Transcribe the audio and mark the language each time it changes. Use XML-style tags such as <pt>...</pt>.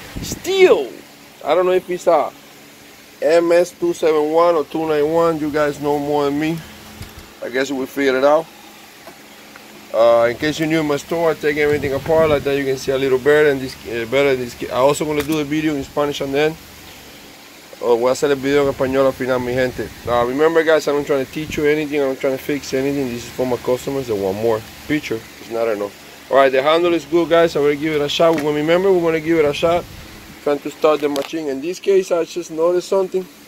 <en>Stihl, I don't know if it's a MS-271 or 291, you guys know more than me. I guess we'll figure it out. In case you're new in my store, I take everything apart like that. You can see a little better than this. I also gonna do a video in Spanish and then.</en> <es>Voy a hacer el video en español al final, mi gente.</es> <en>Now, remember, guys, I'm not trying to teach you anything. I'm not trying to fix anything. This is for my customers. They want more. Picture is not enough. All right, the handle is good, guys. I'm going to give it a shot. We're going to give it a shot. Trying to start the machine. In this case, I just noticed something.</en>